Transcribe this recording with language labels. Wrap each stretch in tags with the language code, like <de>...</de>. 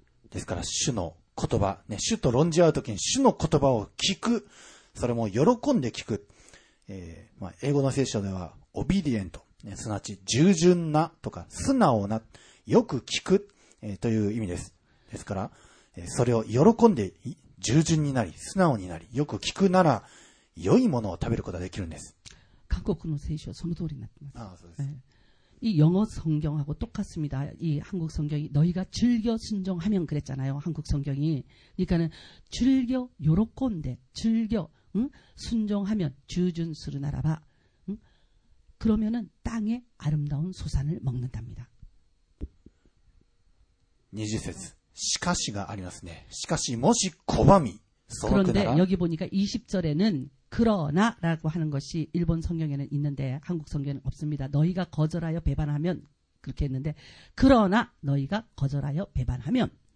<ja>ですから主の言葉、ね、主と論じ合う時に主の言葉を聞くそれも喜んで聞く、まあ、英語の聖書ではオビディエント、ね、すなわち従順なとか素直なよく聞く、という意味ですですから、それを喜んで従順になり素直になりよく聞くなら良いものを食べることができるんです。韓国の聖書はその通りになっています。 ああ、そうです。</ja> <ko>이영어성경하고똑같습니다。 이한국성경이너희가즐겨순종하면그랬잖아요。 한국성경이。 그러니까는즐겨</ko> <ja>喜んで、</ja> <ko>즐겨、응？순종하면、</ko> <ja>従順するならば、</ja> <ko>응？ 그러면은땅의아름다운소산을먹는답니다</ko> <ja>20節しかしがありますね。しかしもし拒み、そう</ja> <ko>く그런데여기보니까20절에는그러나라고하는것이일본성경에는있는데한국성경에는없습니다너희가거절하여배반하면그렇게했는데그러나너희가거절하여배반하면</ko>